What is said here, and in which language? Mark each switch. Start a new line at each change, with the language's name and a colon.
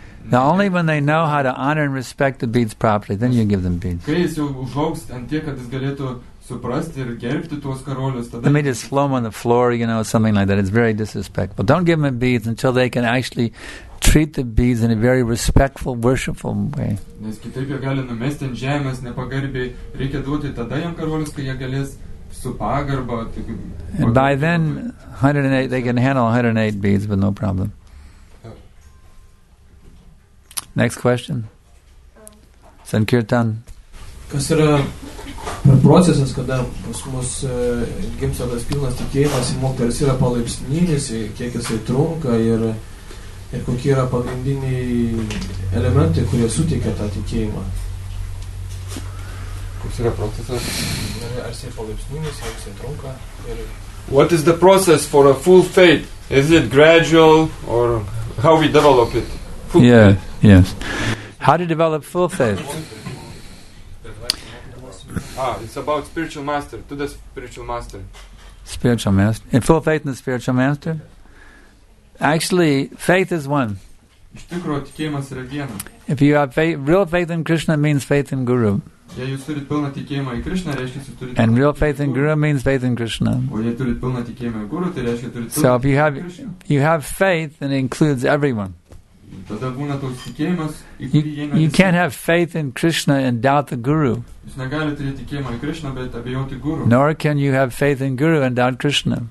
English: Now, only when they know how to honor and respect the beads properly, then you give them beads.
Lithuanian: Kai jis jau užaugs ant tiek, kad jis galėtų suprasti ir gerbti tuos karolius, tada...
English: They may just flow on the floor, you know, something like that. It's very disrespectful. Don't give them beads until they can actually treat the beads in a very respectful, worshipful way.
Lithuanian: Nes kitaip jie gali numesti ant žemės, nepagarbiai. Reikia duoti tada jam karolius, kai jie galės su pagarba.
English: And by then, 108, they can handle 108 beads with no problem. Next question. Sankirtan.
Lithuanian: Kas yra procesas, kada pas mus gimsta tas pilnas tikėjimas į moteris yra palaipsninis, kiek jisai trunka ir kokie yra pagrindiniai elementai, kurie suteikia tą tikėjimą? Koks yra procesas? Ar jisai palaipsninis, ar jisai trunka?
English: What is the process for a full faith? Is it gradual or how we develop it? Yes. How to develop full faith? It's about spiritual master. To the spiritual master. Spiritual master. In full faith in the spiritual master? Actually, faith is one.
Lithuanian: Iš tikro, tikėjimas yra viena.
English: If you have faith, real faith in Krishna means faith in Guru.
Lithuanian: Jei jūs turit pilną tikėjimą į Krishna, reiškia, jūs turit...
English: And real faith in Guru means faith in Krishna.
Lithuanian: O jei turit pilną tikėjimą į Guru, tai reiškia, turit...
English: So if you have faith, then it includes everyone.
Lithuanian: Tada būna toks tikėjimas,
English: you can't have faith in Krishna and doubt the Guru.
Lithuanian: Jūs negali turėti tikėjimą į Krishna, bet abejoti Guru.
English: Nor can you have faith in Guru and doubt Krishna.